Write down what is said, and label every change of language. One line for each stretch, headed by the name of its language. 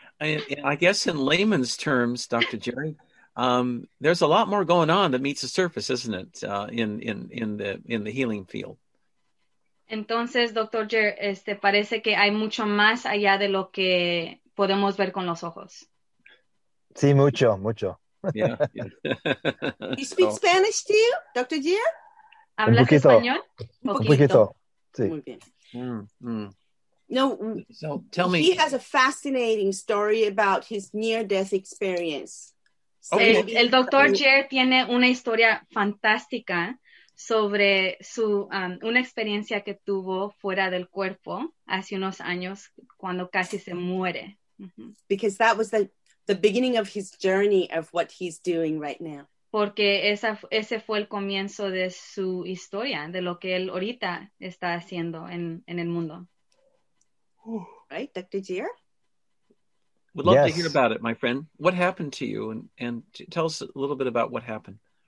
English: I guess in layman's terms, Dr. Jerry, there's a lot more going on that meets the surface, isn't it, in the healing field.
Spanish: Entonces, Dr. Jerry, parece que hay mucho más allá de lo que podemos ver con los ojos. Sí, mucho, mucho.
English: Yeah. You speak Spanish to you, Dr. Jerry?
Spanish: ¿Hablas español? Un poquito. Sí. Muy bien. No,
English: so tell me. He has a fascinating story about his near-death experience.
Spanish: Okay. El doctor Jer tiene una historia fantástica sobre su una experiencia que tuvo fuera del cuerpo hace unos años cuando casi se muere. Mm-hmm.
English: Because that was the beginning of his journey of what he's doing right now.
Spanish: Porque ese fue el comienzo de su historia, de lo que él ahorita está haciendo en el mundo.
English: Right, Dr. Gier? Would love to hear about it, my friend. What happened to you? And tell us a little bit about what happened.